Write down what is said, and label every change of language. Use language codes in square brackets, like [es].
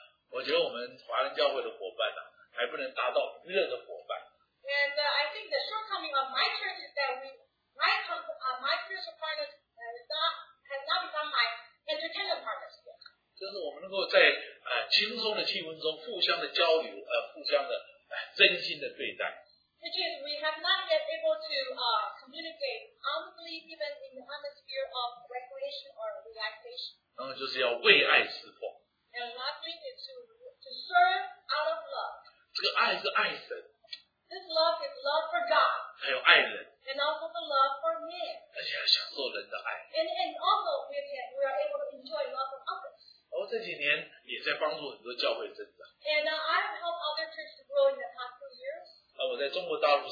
[zh] 我觉得我们华人教会的伙伴还不能达到娱乐的伙伴。 [en] And I think the shortcoming of my church is that my spiritual partners has not become my entertainment partners yet. [zh] 就是我们能够在 轻松的气氛中互相的交流 互相的真心的对待 [en] Which is we have not yet able to communicate humbly even in the atmosphere of recreation or relaxation. [zh] 然后就是要为爱侍奉 [en] And not doing it to serve out of love. [zh] 这个爱是爱神 [en] This love is love for God. [zh] 还有爱人 [en] And also the love for men. [zh] 而且要享受人的爱 [en] And also we are able to enjoy love of others. [zh] 我这几年也在帮助很多教会增长 [en] And I've helped other churches grow in the past few years.